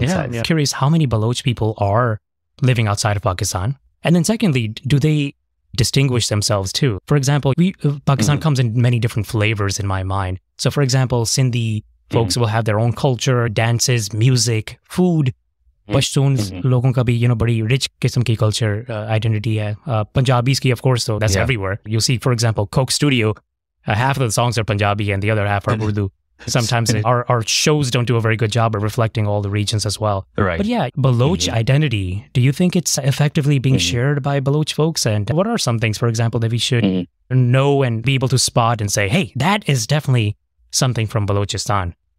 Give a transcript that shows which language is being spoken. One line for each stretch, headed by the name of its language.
English: Yeah, I'm curious how many Baluch people are living outside of Pakistan. And then secondly, do they distinguish themselves too? For example, Pakistan comes in many different flavors in my mind. So for example, Sindhi folks will have their own culture, dances, music, food.
Urdu: Pashtuns, لوگوں کا بھی,
English: you know,
Urdu: بڑی rich قسم کی culture, identity ہے.
English: Punjabis ki, of course, so that's everywhere. You'll see, for example, Coke Studio, half of the songs are Punjabi and the other half are Urdu. Sometimes our shows don't do a very good job of reflecting all the regions as well. Right. But yeah, Baloch identity, do you think it's effectively being shared by Baloch folks? And what are some things, for example, that we should know and be able to spot and say, hey, that is definitely something from Balochistan?